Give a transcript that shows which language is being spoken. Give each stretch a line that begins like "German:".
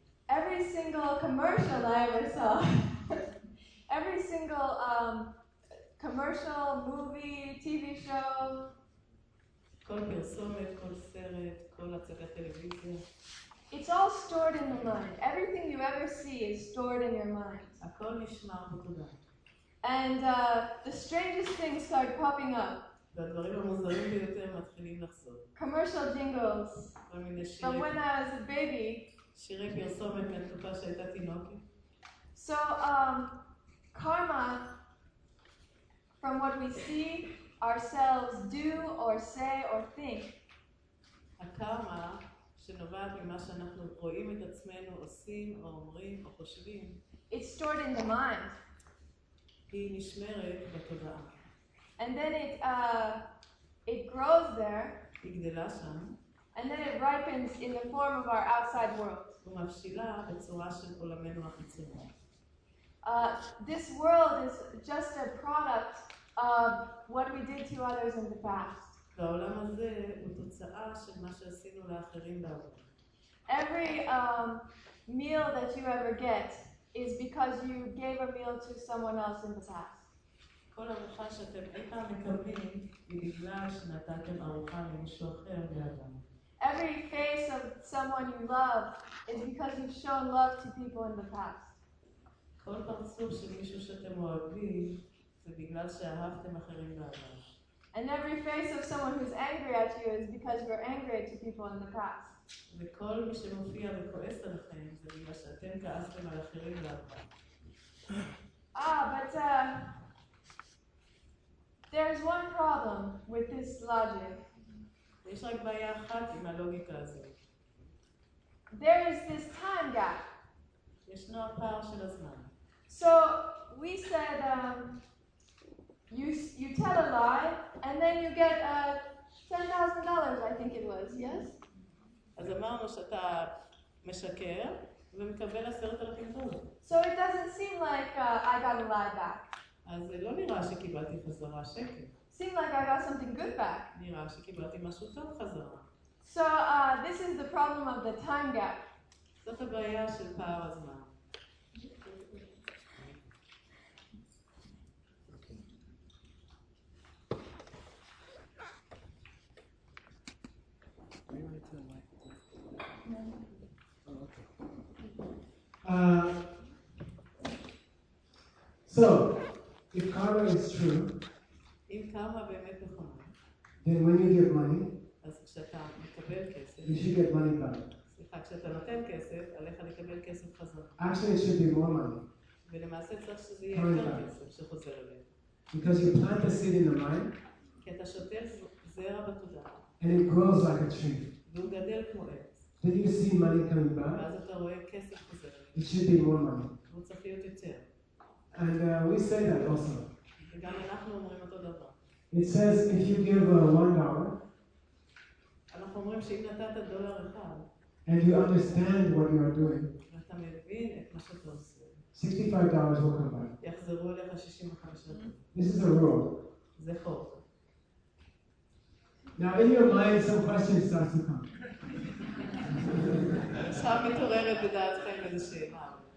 English: Every single commercial I ever saw, every single commercial, movie, TV show.
Hebrew: כל פרסומת, כל סרט, כל הצגת טלוויזיה.
English: It's all stored in the mind. Everything you ever see is stored in your mind.
Hebrew: הכל נשמר בתודעה.
English: And the strangest things start popping up.
Hebrew: והדברים המוזרים ביותר מתחילים לחזור.
English: Commercial jingles.
Hebrew: כל מיני שירים.
English: From when I was a baby.
Hebrew: שירי פרסומת מהתקופה שהייתה תינוקת.
English: So, karma. From what we see ourselves do or say or think.
Hebrew: הקארמה שנובעת ממה שאנחנו רואים את עצמנו עושים או אומרים או חושבים.
English: It's stored in the mind.
Hebrew: היא נשמרת בתודעה.
English: And then it grows there.
Hebrew: היא גדלה שם.
English: And then it ripens in the form of our outside world.
Hebrew: ומבשילה בצורה של עולמנו החיצוני.
English: This world is just a product of what we did to others in the past.
Hebrew: העולם הזה הוא תוצאה של מה שעשינו לאחרים בעבר.
English: Every meal that you ever get is because you gave a meal to someone else in the past.
Hebrew: כל ארוחה שאתם אי פעם מקבלים היא בגלל שנתתם ארוחה למישהו אחר בעבר.
English: Every face of someone you love is because you've shown love to people in the past.
Hebrew: כל פרצוף של מישהו שאתם אוהבים זה בגלל שאהבתם אחרים בעבר.
English: And every face of someone who's angry at you is because you're angry to people in the past.
Hebrew: וכל מי שמופיע וכועס עליכם זה בגלל שאתם כעסתם על אחרים בעבר.
English: But there's one problem with this logic.
Hebrew: יש רק בעיה אחת עם הלוגיקה הזאת.
English: There is this time gap.
Hebrew: ישנו הפער של הזמן.
English: So we said you tell a lie and then you get $10,000, I think it was, yes?
Hebrew: אז אמרנו שאתה משקר ומקבל 10,000 דולר.
English: So it doesn't seem like I got a lie back.
Hebrew: אז לא נראה שקיבלתי חזרה שקל.
English: Seem like I got something good back.
Hebrew: נראה שקיבלתי משהו טוב חזרה.
English: So this is the problem of the time gap.
Hebrew: זאת הבעיה של פער הזמן.
English: So, if karma is true,
Hebrew: אם karma באמת נכון,
English: then when you get money,
Hebrew: אז כשאתה מקבל כסף,
English: you should get money back.
Hebrew: סליחה, כשאתה נותן כסף, עליך לקבל כסף חזר.
English: Actually, it should be more money.
Hebrew: ולמעשה צריך שזה יהיה יותר כסף שחוזר אליך.
English: Because you plant a seed in the mind,
Hebrew: כי אתה שותל זרע בתודעה,
English: and it grows like a tree.
Hebrew: והוא גדל כמו עץ.
English: Did you see money coming back?
Hebrew: ואז אתה רואה כסף חוזר.
English: It should be more money.
Hebrew: והוא צריך להיות יותר.
English: And we say that also.
Hebrew: וגם אנחנו אומרים אותו דבר.
English: It says if you give $1,
Hebrew: אנחנו אומרים שאם נתת דולר אחד,
English: and you understand what you are doing,
Hebrew: ואתה מבין את מה שאתה עושה,
English: $65 will come back.
Hebrew: יחזרו אליך 65.
English: This is a rule.
Hebrew: זה חוק.
English: Now in your mind some questions start to come.
Hebrew: עכשיו מתעוררת בדעתכם איזה שאלה.